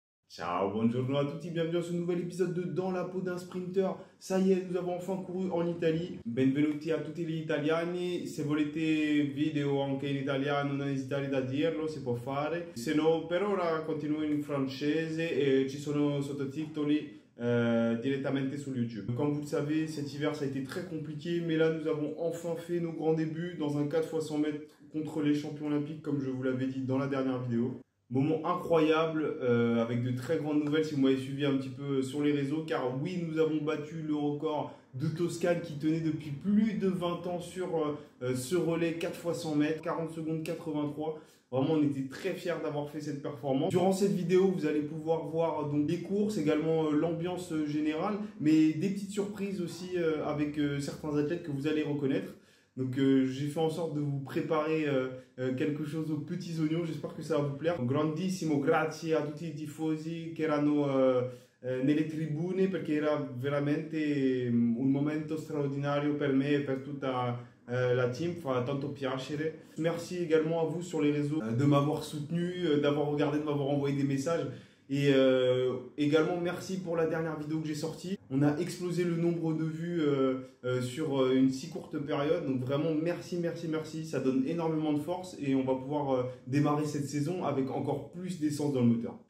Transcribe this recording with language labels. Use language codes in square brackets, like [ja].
[fr] Ciao, bonjour à tous et bienvenue à ce nouvel épisode de Dans la peau d'un sprinter. Ça y est, nous avons enfin couru en Italie. [it] Benvenuti a tutti gli italiani. Se volete video anche in italiano, non esitare da dirlo, si può fare. Se no, per ora continuo in francese e ci sono sottotitoli directamente [fr] sur YouTube. Comme vous le savez, cet hiver ça a été très compliqué, mais là nous avons enfin fait nos grands débuts dans un 4x100 mètres contre les champions olympiques, comme je vous l'avais dit dans la dernière vidéo. Moment incroyable, avec de très grandes nouvelles si vous m'avez suivi un petit peu sur les réseaux, car oui, nous avons battu le record de Toscane qui tenait depuis plus de 20 ans sur ce relais 4x100 mètres, 40 secondes 83. Vraiment, on était très fiers d'avoir fait cette performance. Durant cette vidéo, vous allez pouvoir voir donc les courses, également l'ambiance générale, mais des petites surprises aussi avec certains athlètes que vous allez reconnaître. Donc j'ai fait en sorte de vous préparer quelque chose aux petits oignons, j'espère que ça va vous plaire. [it] Grandissimo grazie a tutti i tifosi che erano nelle tribune, perché era veramente un momento straordinario per me e per tutta la team, fa tanto piacere. [fr] Merci également à vous sur les réseaux de m'avoir soutenu, d'avoir regardé, de m'avoir envoyé des messages. Et également merci pour la dernière vidéo que j'ai sortie. On a explosé le nombre de vues sur une si courte période. Donc vraiment merci, merci, merci. Ça donne énormément de force et on va pouvoir démarrer cette saison avec encore plus d'essence dans le moteur.